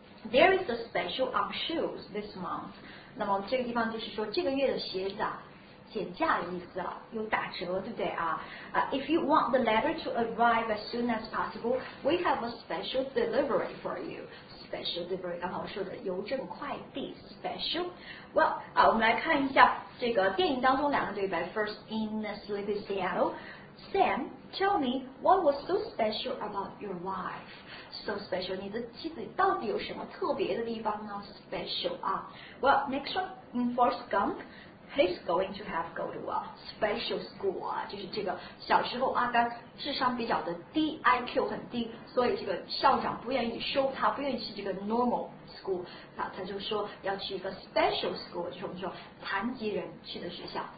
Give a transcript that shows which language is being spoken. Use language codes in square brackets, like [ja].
[en] There is a special on shoes this month. [zh] 那么这个地方就是说这个月的鞋子啊减价的意思了，有打折，对不对啊？ [en] If you want the letter to arrive as soon as possible, we have a special delivery for you. [zh] Special delivery, 刚才我说的邮政快递 special. Well, 啊，我们来看一下这个电影当中两个对白。 [en] First in Sleepy Seattle, Sam, tell me what was so special about your wife? [zh] So special, 你的妻子到底有什么特别的地方呢 ？Special 啊 ， [en] Well, next one, in Forrest Gump, he's going to have go to a special school [zh] 啊，就是这个小时候阿甘智商比较的低 ，IQ 很低，所以这个校长不愿意收他，不愿意去这个 normal school， 啊，他就说要去一个 special school， 就是我们说残疾人去的学校。